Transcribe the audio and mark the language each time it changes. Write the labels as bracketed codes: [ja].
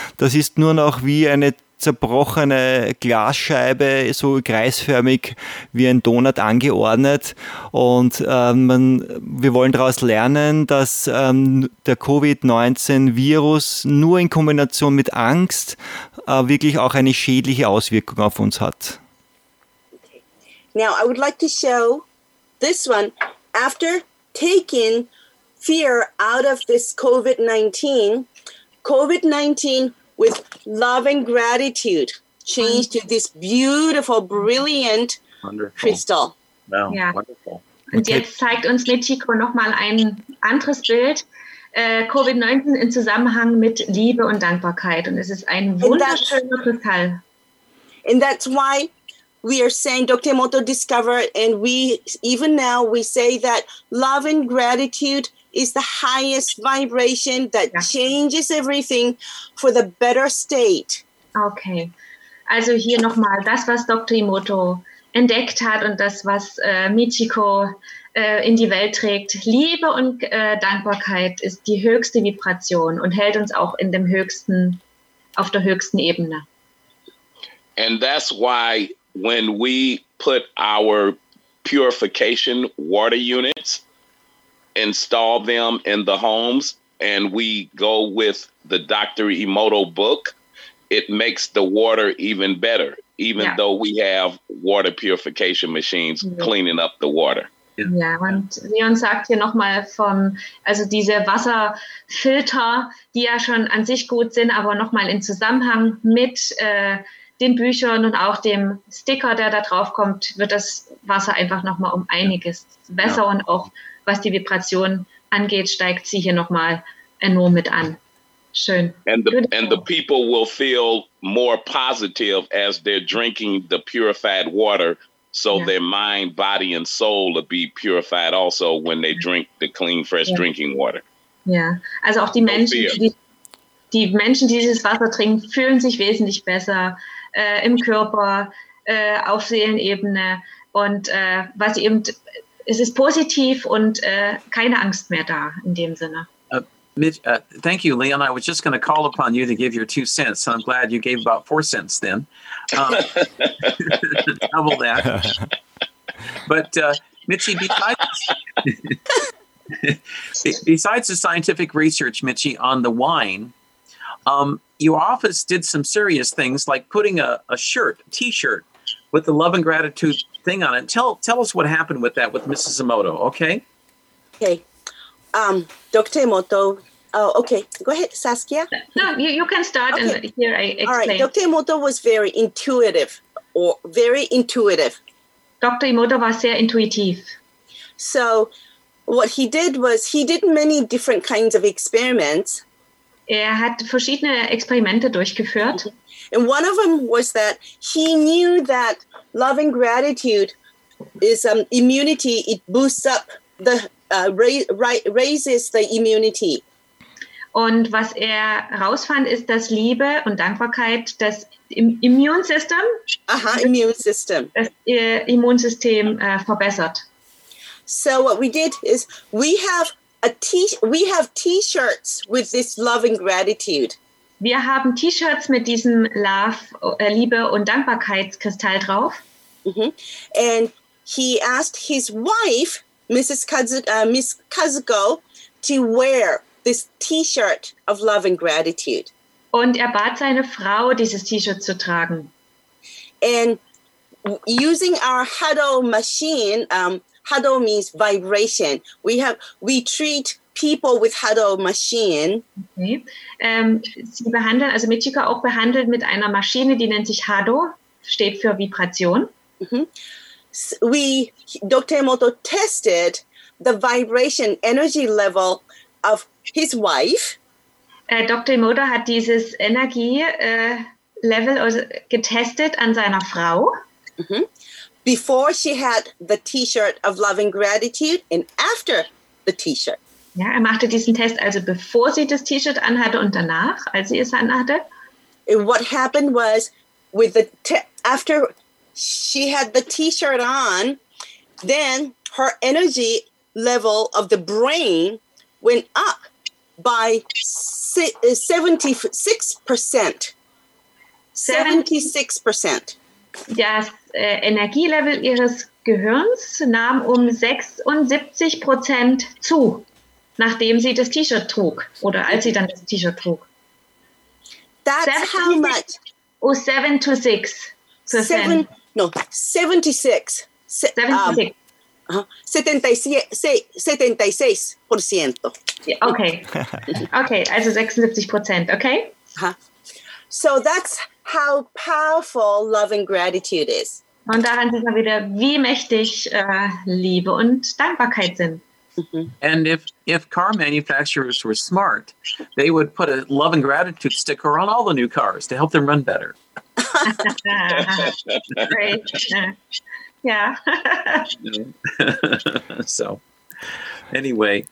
[de] Das ist nur noch wie eine zerbrochene Glasscheibe, so kreisförmig wie ein Donut angeordnet. Und wir wollen daraus lernen, dass der Covid-19-Virus nur in Kombination mit Angst wirklich auch eine schädliche Auswirkung auf uns hat. Okay. [en] Now I would like to show this one. After taking fear out of this COVID-19 with love and gratitude changed to this beautiful, brilliant wonderful. Crystal. Wow, yeah. Wonderful. [de] Und jetzt zeigt uns Michiko nochmal ein anderes Bild, COVID-19 in Zusammenhang mit Liebe und Dankbarkeit. Und es ist ein wunderschöner Kristall. [en] And that's why we are saying, Dr. Emoto discovered, and we, even now, we say that love and gratitude is the highest vibration that changes everything for the better state. [de] Okay, also hier nochmal das, was Dr. Emoto entdeckt hat und das, was Michiko in die Welt trägt. Liebe und Dankbarkeit ist die höchste Vibration und hält uns auch in dem höchsten, auf der höchsten Ebene. [en] And that's why when we put our purification water units, install them in the homes, and we go with the Dr. Emoto book, it makes the water even better, even though we have water purification machines cleaning up the water. [de] Ja, und Leon sagt hier nochmal von, also diese Wasserfilter, die ja schon an sich gut sind, aber nochmal in Zusammenhang mit den Büchern und auch dem Sticker, der da drauf kommt, wird das Wasser einfach nochmal um einiges besser und auch was die Vibration angeht, steigt sie hier nochmal enorm mit an. Schön. [en] And the people will feel more positive as they're drinking the purified water, so their mind, body and soul will be purified also when they drink the clean, fresh drinking water. [de] Ja, also auch die Menschen, die dieses Wasser trinken, fühlen sich wesentlich besser im Körper, auf Seelenebene und was eben, es ist positiv und keine Angst mehr da in dem Sinne. [en] Mitch, thank you, Leon. I was just going to call upon you to give your 2 cents. I'm glad you gave about 4 cents then. double that. But Mitchie, besides the scientific research, Mitchie, on the wine, your office did some serious things like putting a t-shirt with the love and gratitude thing on it. Tell us what happened with that with Mrs. Emoto, okay? Okay. Dr. Emoto. Oh, okay. Go ahead, Saskia. No, you can start and here I explain. All right. Dr. Emoto was very intuitive. [de] Dr. Emoto was sehr intuitiv. [en] So what he did was he did many different kinds of experiments. [de] Er hat verschiedene Experimente durchgeführt. [en] And one of them was that he knew that love and gratitude is immunity. It boosts up the raises the immunity. [de] Und was er rausfand, ist, dass Liebe und Dankbarkeit das Immunsystem. Aha, Immunsystem. Das Immunsystem verbessert. [en] So what we did is we have T-Shirts with this love and gratitude. [de] Wir haben T-Shirts mit diesem Liebe und Dankbarkeitskristall drauf. Mm-hmm. [en] And he asked his wife, Miss Kazuko, to wear this T-Shirt of love and gratitude. [de] Und er bat seine Frau, dieses T-Shirt zu tragen. [en] And using our Hado machine, Hado means vibration. We treat people with Hado machine. Okay. [de] Sie behandeln, also Michiko auch behandelt mit einer Maschine, die nennt sich Hado, steht für Vibration. [en] Mm-hmm. So Dr. Emoto tested the vibration energy level of his wife. [de] Dr. Imoda hat dieses Energie-Level getestet an seiner Frau. Mm-hmm. [en] Before she had the T-shirt of love and gratitude and after the T-shirt. [de] Ja, machte diesen Test also bevor sie das T-Shirt anhatte und danach, als sie es anhatte. [en] And what happened was, with the after she had the T-shirt on, then her energy level of the brain went up by 76%. [de] Das Energielevel ihres Gehirns nahm um 76% zu, nachdem sie das T-Shirt trug oder als sie dann das T-Shirt trug. [en] That's seven, how much? Oh, 7 to 6. No, 76. 76%. Okay. [de] Okay, also 76%, okay? Uh-huh. [en] So that's how powerful love and gratitude is. [de] Und daran sieht man wieder, wie mächtig Liebe und Dankbarkeit sind. Mm-hmm. [en] And if car manufacturers were smart, they would put a love and gratitude sticker on all the new cars to help them run better. Great. Yeah. Yeah. So, anyway.